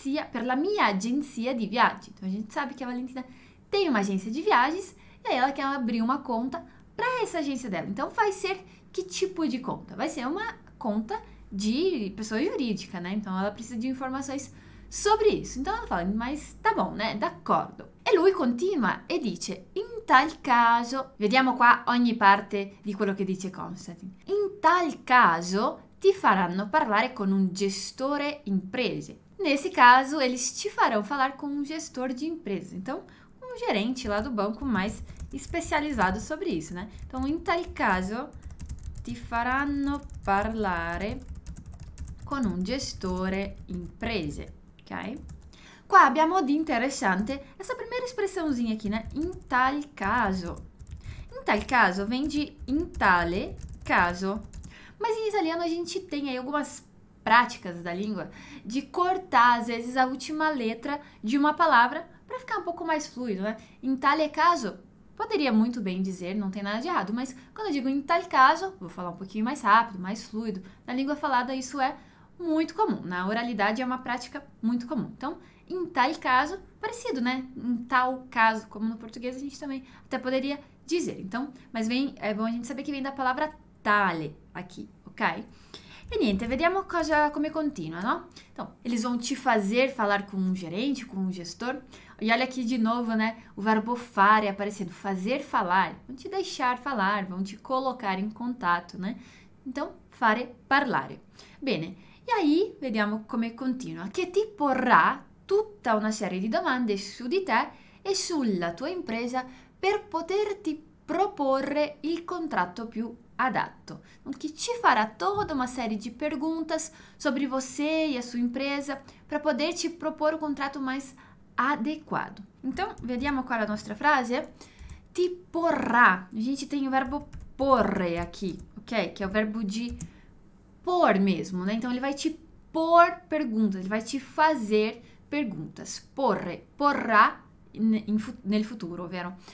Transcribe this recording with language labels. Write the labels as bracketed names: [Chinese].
[Italian] Per la mia agenzia di viaggi. [Portuguese] Então, a gente sabe que a Valentina tem uma agência de viagens e aí ela quer abrir uma conta para essa agência dela. Então, vai ser que tipo de conta? Vai ser uma conta de pessoa jurídica, né? Então, ela precisa de informações sobre isso. Então, ela fala, mas tá bom, né? [Italian] D'accordo. E lui continua e dice, in tal caso... Vediamo qua ogni parte di quello che dice Constantin. In tal caso... ti faranno parlare con un gestore imprese. [Portuguese] Nesse caso, eles te farão falar com um gestor de empresa. Então, um gerente lá do banco mais especializado sobre isso, né? [Italian] Então, in tal caso, ti faranno parlare con un gestore imprese, ok? Qua abbiamo di interessante [Portuguese] essa primeira expressãozinha aqui, né? [Italian] In tal caso. In tal caso, vendi in tale caso. [Portuguese] Mas em italiano a gente tem aí algumas práticas da língua de cortar, às vezes, a última letra de uma palavra para ficar um pouco mais fluido, né? Em tale caso, poderia muito bem dizer, não tem nada de errado, mas quando eu digo em tal caso, vou falar um pouquinho mais rápido, mais fluido. Na língua falada isso é muito comum, na oralidade é uma prática muito comum. Então, em tal caso, parecido, né? Em tal caso, como no português a gente também até poderia dizer. Então, mas vem, é bom a gente saber que vem da palavra tale aqui, ok? [Italian] E niente, vediamo cosa, come continua, no? [Portuguese] Então, eles vão te fazer falar com um gerente, com um gestor. E olha aqui de novo, né, o verbo fare aparecendo. Fazer falar, vão te deixar falar, vão te colocar em contato, né? Então, fare parlare. [Italian] Bene, [Portuguese] e aí, [Italian] vediamo come continua. Che ti porrà tutta una serie di domande su di te e sulla tua impresa per poterti proporre il contratto più adatto, [Portuguese] que te fará toda uma série de perguntas sobre você e a sua empresa para poder te propor o contrato mais adequado. Então, [Italian] vediamo [Portuguese] qual é a nossa frase. [Italian] Ti porrà. [Portuguese] A gente tem o verbo porre aqui, ok? Que é o verbo de pôr mesmo, né? Então, ele vai te pôr perguntas, ele vai te fazer perguntas. [Italian] Porre, porrà nel futuro, ovvero.